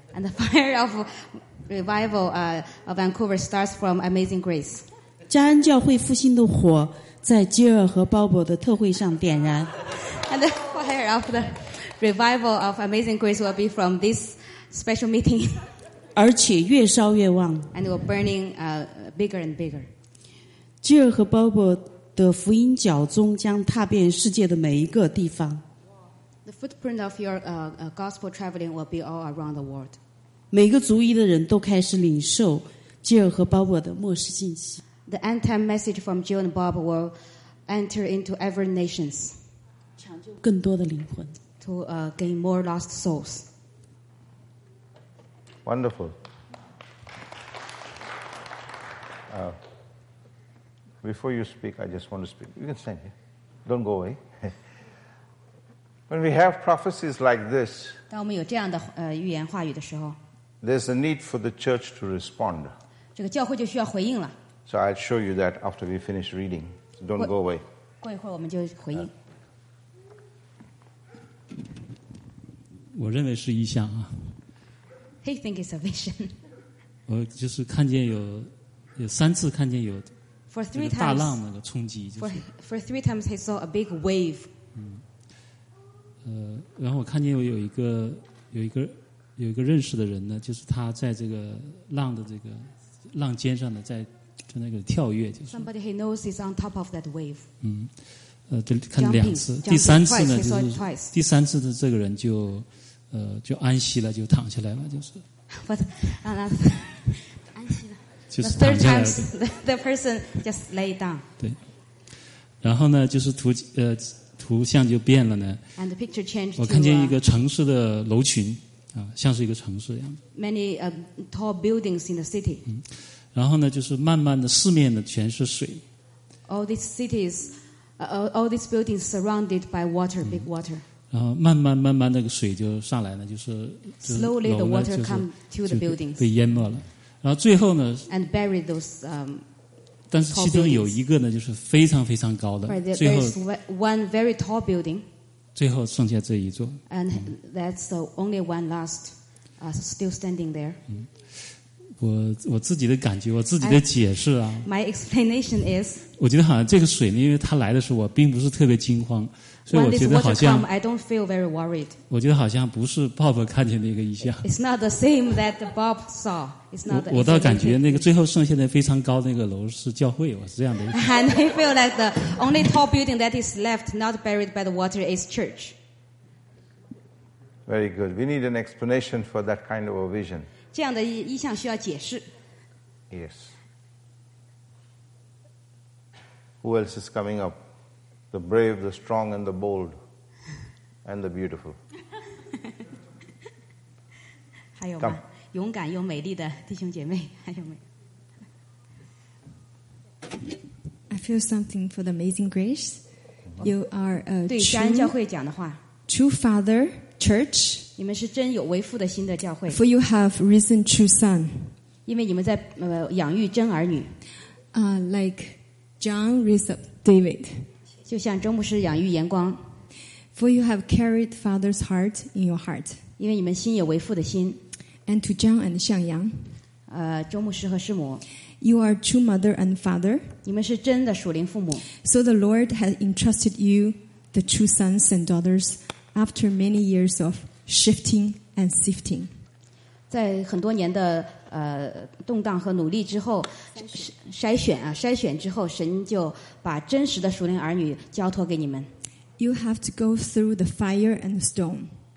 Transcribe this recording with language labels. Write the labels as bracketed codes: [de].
[en] And the fire of revival of Vancouver starts from Amazing Grace. [zh] 加恩教会复兴的火在基尔和鲍勃的特会上点燃。 [en] And the fire of the revival of Amazing Grace will be from this special meeting. [zh] 而且越烧越旺。 [en] And it will burning bigger and bigger. [zh] 基尔和鲍勃的福音脚踪将踏遍世界的每一个地方。 [en] The footprint of your gospel traveling will be all around the world. [zh] 每个族裔的人都开始领受基尔和鲍勃的末世信息。 [en] The end time message from Jill and Bob will enter into every nations. [zh] 抢救更多的灵魂。 [en] To gain more lost souls. Wonderful. Before you speak, I just want to speak. You can stand here. Don't go away. When we have prophecies like this, [zh] 当我们有这样的预言话语的时候， [en] there's a need for the church to respond. [zh] 这个教会就需要回应了。 [en] So I'll show you that after we finish reading. So don't go away. [zh] 过一会儿我们就回应。我认为是异象啊。 [en] He thinks it's a vision. [zh] 我就是看见有三次看见有。 [en] For three times, [zh] 大浪那个冲击就是。 [en] For three times, he saw a big wave. [zh] 然后我看见我有一个认识的人呢，就是他在这个浪的这个浪尖上呢，在那个跳跃，就是。 [en] Somebody he knows is on top of that wave. [zh] 就看两次， [en] jumping, [zh] 第三次呢 [en] twice, [zh] 就是第三次的这个人就就安息了，就躺下来了，就是。 [en] But, [zh] 就是、 [en] the third time, the person just lay down. [zh] 对，然后呢，就是图像就变了呢。 [en] And the picture changed. [zh] 我看见一个城市的楼群啊，像是一个城市一样。 [en] Many tall buildings in the city. [zh] 然后呢，就是慢慢的，四面的全是水。 [en] All these cities, all these buildings surrounded by water, big water. [zh] 然后慢慢那个水就上来了，就是 [en] slowly the water come to the buildings. [zh] 被淹没了。然后最后呢 [en] ？And buried those [zh] 但是其中有一个呢，就是非常非常高的。 [en] Right, there, [zh] 最后 [en] one very tall building. [zh] 最后剩下这一座。 [en] And that's the only one last, still standing there. [zh] 我自己的感觉，我自己的解释啊。 [en] My explanation is. [zh] 我觉得好像这个水呢，因为它来的时候，我并不是特别惊慌，所以我觉得好像。 [en] When this water come, I don't feel very worried. [zh] 我觉得好像不是 Bob 看见那个异象。 [en] It's not the same that Bob saw. [zh] 我倒感觉那个最后剩下的非常高的那个楼是教会，我是这样的。 [en] And I feel like the only tall building that is left, not buried by the water, is church. Very good. We need an explanation for that kind of a vision. [zh] 这样的意象需要解释。 [en] Yes. Who else is coming up? The brave, the strong, and the bold, and the beautiful. [zh] 还有吗？勇敢又美丽的弟兄姐妹，还有没有？ [en] I feel something for the amazing grace. You are a true, [zh] 对加恩教会讲的话。 [en] True Father Church. [zh] 你们是真有为父的心的教会。 [en] For you have risen true son. [zh] 因为你们在养育真儿女。 [en] Like John raised David. [zh] 就像周牧师养育严光。 [en] For you have carried Father's heart in your heart. [zh] 因为你们心有为父的心。 [en] And to John and Xiang Yang, [zh] 周牧师和师母 [en] you are true mother and father. [zh] 你们是真的属灵父母 [en] So the Lord has entrusted you the true sons and daughters after many years of shifting and sifting. [zh] 在很多年的动荡和努力之后，筛选之后，神就把真实的属灵儿女交托给你们 [en] You have to go through the fire and the stone.